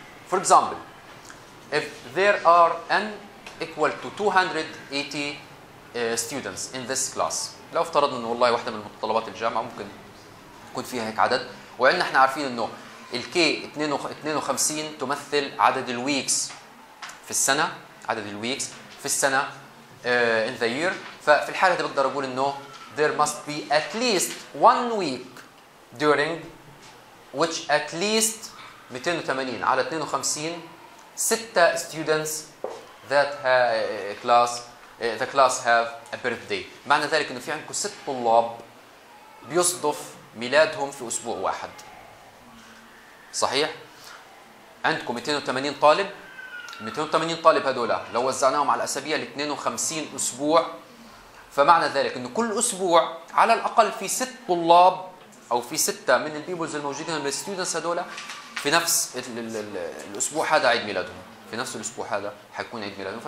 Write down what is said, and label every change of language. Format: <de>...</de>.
<en>For example if there are N equal to 280 students in this class،</en> <ar>لو افترضنا إنه والله واحدة من متطلبات الجامعة ممكن يكون فيها هيك عدد، وعندنا احنا عارفين انه الكي 52 تمثل عدد الويكس في السنه، عدد الويكس في السنه</ar> <en>in the year.</en> <ar>ففي الحاله دي بقدر اقول انه</ar> <en>there must be at least one week during which at least 280 على 52 6 students that class the class have a birthday.</en> <ar>معنى ذلك انه في عندكم 6 طلاب بيصدف ميلادهم في أسبوع واحد، صحيح؟ عندكم 280 طالب، 280 طالب هذولا لو وزعناهم على أسابيع ل 52 أسبوع، فمعنى ذلك أنه كل أسبوع على الأقل في 6 طلاب أو في 6 من البيبلز الموجودين من الستودنتس هذولا في نفس الأسبوع هذا عيد ميلادهم، في نفس الأسبوع هذا حيكون عيد ميلادهم.</ar>